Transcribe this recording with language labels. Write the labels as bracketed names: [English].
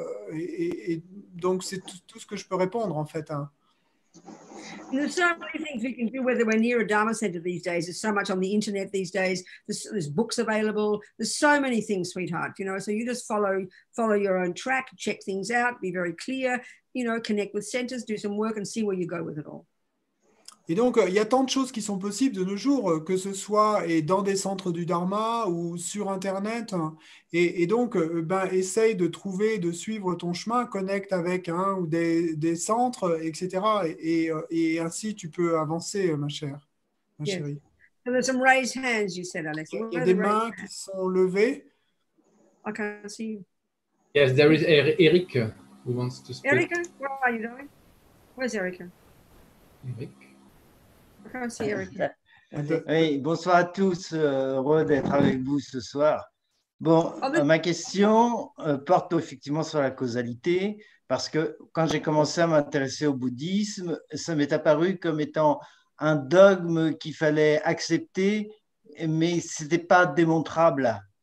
[French] Et donc c'est tout ce que je peux répondre, en fait. Hein. [English] There's so many things we can do, whether we're near a Dharma center these days. There's so much on the internet these days. There's books available. There's so many things, sweetheart, you know. So you just follow your own track, check things out, be very clear, you know, connect with centers, do some work and see where you go with it all. [French] Et donc, il y a tant de choses qui sont possibles de nos jours, que ce soit et dans des centres du Dharma ou sur Internet. Et donc, essaye de trouver, de suivre ton chemin, connecte avec un ou des centres, etc. Et ainsi, tu peux avancer, ma chérie. [English] Yes. So there's some raised hands, you said, Alexis. [French] Il y a des mains qui sont levées. [English] I can't see you. Yes, there is Eric who wants to speak. Erica, where are you going? Where's Erica? Eric. [French] Bonsoir à tous, heureux d'être avec vous ce soir. Bon, ma question porte effectivement sur la causalité, parce que quand j'ai commencé à m'intéresser au bouddhisme, ça m'est apparu comme étant un dogme qu'il fallait accepter, mais ce n'était pas démontrable.